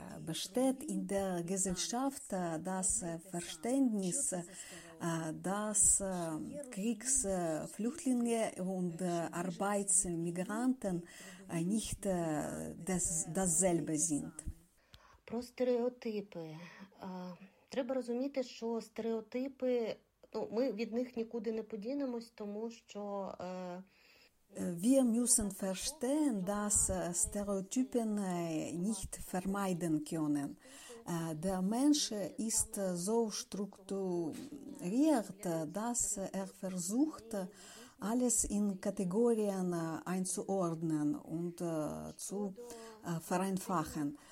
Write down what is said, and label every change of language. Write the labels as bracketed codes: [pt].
[de] Besteht in der Gesellschaft das Verständnis, dass Kriegsflüchtlinge und Arbeitsmigranten nicht dasselbe sind? [uk] Про стереотипи. Треба розуміти, що стереотипи, ну, ми від них нікуди не подінемось, тому що [de] wir müssen verstehen, dass Stereotypen nicht vermeiden können. Der Mensch ist so strukturiert, dass er versucht, alles in Kategorien einzuordnen und zu vereinfachen.